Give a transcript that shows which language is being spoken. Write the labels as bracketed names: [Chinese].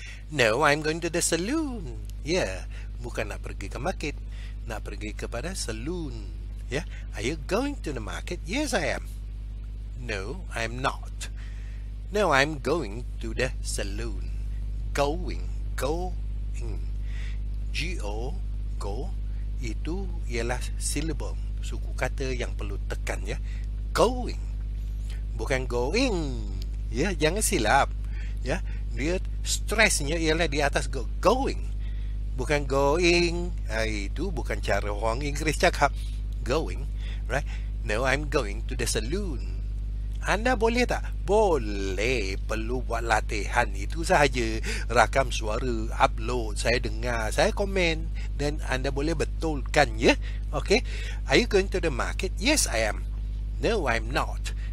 [English] No, I'm going to the saloon. [Malay] Yeah, bukan nak pergi ke market, nak pergi kepada saloon. [English] Yeah, are you going to the market? Yes, I am. No, I'm not. No, I'm going to the saloon. Going, going. [Malay] G-O, go, itu ialah syllable, suku kata yang perlu tekan, ya. Going, bukan going, ya, jangan silap, ya. Dia stresnya ialah di atas going, bukan going. Itu bukan cara orang Inggeris cakap going, right? [English] No, I'm going to the saloon. [Malay] Anda boleh tak? Boleh. Perlu buat latihan. Itu sahaja. Rakam suara, upload, saya dengar, saya komen, dan anda boleh betulkan, ya? [English] Okay. Are you going to the market? Yes, I am. No, I'm not.